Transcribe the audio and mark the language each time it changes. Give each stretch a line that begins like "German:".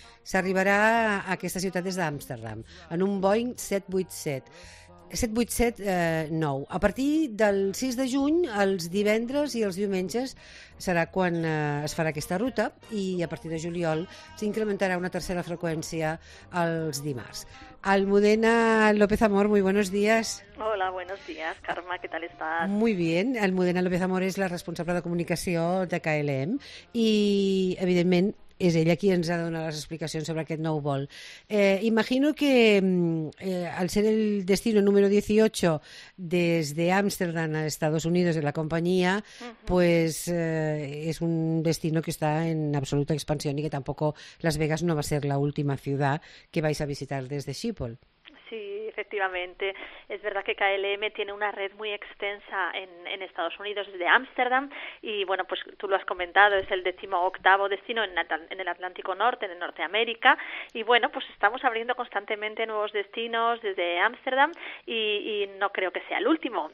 Catalan: S'arribarà a aquesta ciutat des d'Amsterdam, en un Boeing 787. 787-9. A partir del 6 de juny, els divendres i els diumenges serà quan es farà aquesta ruta i a partir de juliol s'incrementarà una tercera freqüència els dimarts.
Spanish: Almudena López Amor, muy buenos días. Hola, buenos días, Carme, ¿qué tal estás? Muy bien.
Catalan: Almudena López Amor és la responsable de comunicació de KLM i, evidentment, és ella qui ens ha de donar les explicacions sobre aquest nou vol.
Spanish: Imagino que al ser el destino número 18
Catalan: des d'Amsterdam a Estados Unidos de la companyia, pues és un destino que està en absoluta expansió i que tampoc Las Vegas no va ser la última ciutat que vais a visitar des de Schiphol.
Spanish: Sí, efectivamente. Es verdad que KLM tiene una red muy extensa en Estados Unidos, desde Ámsterdam, y bueno, pues tú lo has comentado, es el 18º destino en el Atlántico Norte, en el Norte de América, y bueno, pues estamos abriendo constantemente nuevos destinos desde Ámsterdam, y no creo que sea el último.